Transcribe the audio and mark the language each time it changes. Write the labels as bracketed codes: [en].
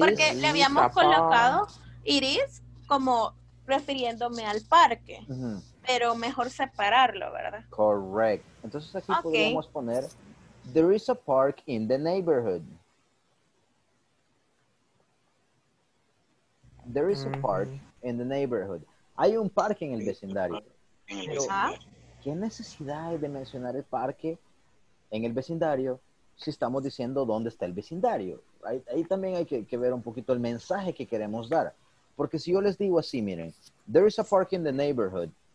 [es] Porque le habíamos colocado iris como refiriéndome al parque, mm-hmm. pero mejor separarlo, ¿verdad? Correct. Entonces aquí okay. [en] podríamos poner, there is a park in the neighborhood. There is mm-hmm. a park in the neighborhood. [es] Hay un parque en el vecindario. ¿Ah? ¿Qué necesidad hay de mencionar el parque en el vecindario? Si estamos diciendo dónde está el vecindario. Ahí también hay que ver un poquito el mensaje que queremos dar. Porque si yo les digo así, miren. There is a park in the neighborhood.